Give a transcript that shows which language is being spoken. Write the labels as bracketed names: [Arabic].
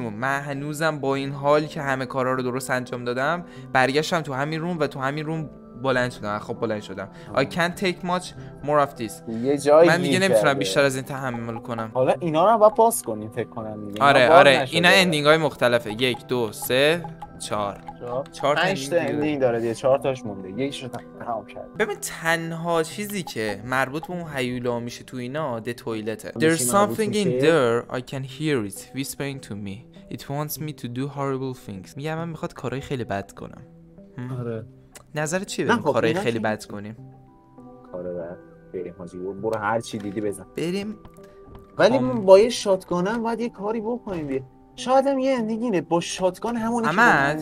[Persian] من هنوزم با این حال که همه کارها رو درست انجام دادم برگشتم تو همین روم و تو همین روم بلند شدم. خب بلند شدم. [English] I can't take much more of this. [Persian] یه جایی من دیگه نمیتونم بیشتر از این تحمل کنم. حالا اینا رو باید پاس کنیم فکر کنم دیگه. آره اینا اندینگ های مختلفه. 1 2 3 4 5 تا اندینگ داره دیگه، 4 تاش مونده. یکیش رو تمام کردم. ببین تنها چیزی که مربوط به اون هیولا میشه تو اینا ده تویلته. [English] There's something in there. I can hear it whispering to me. It wants me to do horrible things. [Persian] میگه من میخواد کارهای خیلی بد کنم. آره نظر چیه بریم کارهای خیلی بد کنیم؟ کارا بریم حاجی برو هر چی دیدی بزن بریم. ولی با یه شاتگانم باید یه کاری بکنیم دیگه. شاید هم یه اندینگینه با شاتگان همونی احمد.